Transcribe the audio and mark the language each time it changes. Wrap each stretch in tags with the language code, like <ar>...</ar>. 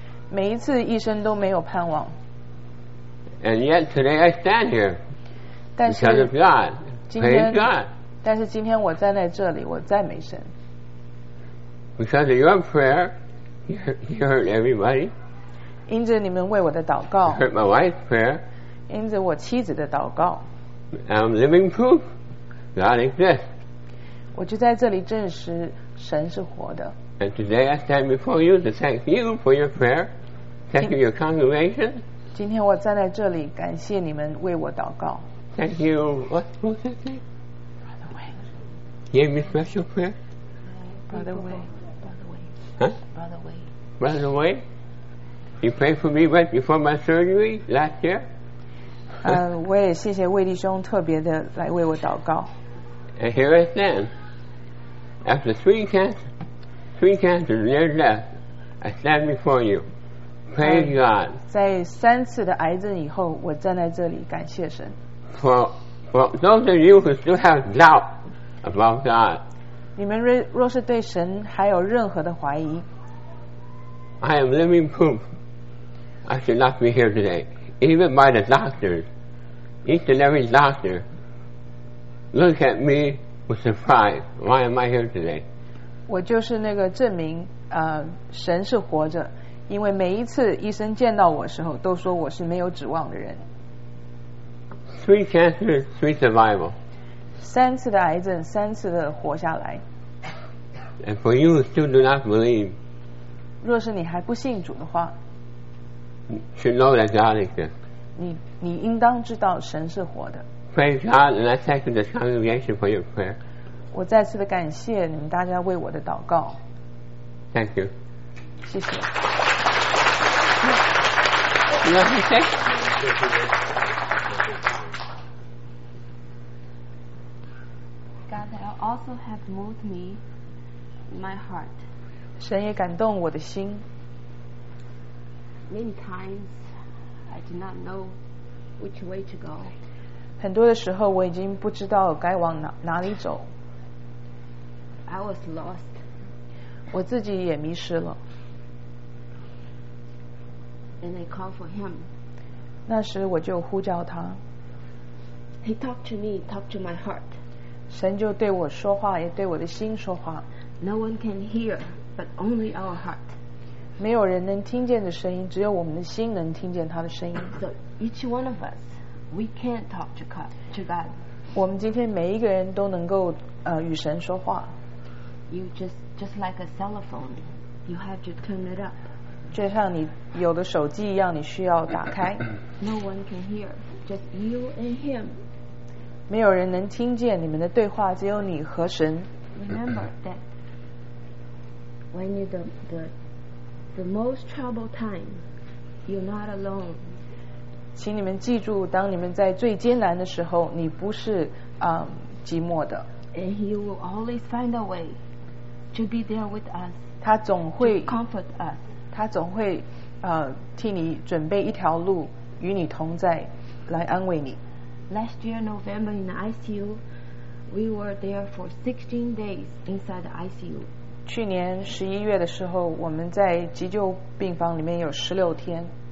<zh>每一次医生都没有盼望。</zh> <en>And yet today I stand here because of God. Praise God.</en> <zh>但是今天我站在这里，我赞美神。</zh> <en>Because of your prayer, you hurt everybody.</en> <zh>因着你们为我的祷告。</zh> <en>Hurt my wife's prayer.</en> <zh>因着我妻子的祷告</zh> <en>I'm living proof God exists</en> <zh>我就在这里证实神是活的</zh> <en>And today I stand before you to thank you for your prayer Thank you your congregation</en> <zh>今天我站在这里感谢你们为我祷告</zh> <en>Thank you What's his name? Brother Wei Gave me special prayer? Brother Wei You prayed for me right before my surgery last year?</en> <zh>我也谢谢魏弟兄特别的来为我祷告。</zh> <en>And here I stand. After three cancers near death, I stand before you. Praise God.</en> <zh>在三次的癌症以后，我站在这里感谢神。</zh> <en>For those of you who still have doubt about God,</en> <zh>你们若是对神还有任何的怀疑</zh> <en>，I am living proof. I should not be here today, even by the doctors. Each and every doctor look at me with surprise. Why am I here today?</en> <zh>我就是那个证明，神是活着，因为每一次医生见到我时候，都说我是没有指望的人。</zh> <en>Three cancer, three survival.</en> <zh>三次的癌症，三次的活下来。</zh> <en>And for you who still do not believe,</en> <zh>若是你还不信主的话</zh> <en>you should know that God is here.</en> <zh>你应当知道神是活的。</zh> <en>Praise God, and I thank the congregation for your prayer.</en> <zh>我再次的感谢你们大家为我的祷告。</zh> <en>Thank you.</en> <zh>谢谢。</zh> <en>You want to say? God also has moved me, my heart.</en> <zh>神也感动我的心。</zh> <en>Many times I do not know which way to go.</en> <zh>很多的时候我已经不知道该往 哪里走。</zh> <en>I was lost.</en> <zh>我自己也迷失了。</zh> <en>And I called for him.</en> <zh>那时我就呼叫他。</zh> <en>He talked to me, talked to my heart.</en> <zh>神就对我说话，也对我的心说话。</zh> <en>No one can hear, but only our heart.</en> <zh>没有人能听见的声音，只有我们的心能听见他的声音。</zh> <en>So each one of us, we can talk to God.</en> <zh>我们今天每一个人都能够与神说话。</zh> <en>You just like a cell phone, you have to turn it up.</en> <zh>就像你有的手机一样，你需要打开。</zh> <en>No one can hear, just you and him.</en> <zh>没有人能听见你们的对话，只有你和神。</zh> <en>Remember that when you're the most troubled time, you're not alone.</en> <zh>请你们记住，当你们在最艰难的时候，你不是寂寞的。</zh> <en>And he will always find a way to be there with us.</en> <zh>他总会</zh> <en>to comfort us.</en> <zh>他总会替你准备一条路与你同在，来安慰你。</zh> <en>Last year November in the ICU, we were there for 16 days inside the ICU.</en> <zh>去年十一月的时候，我们在急救病房里面有16天。</zh>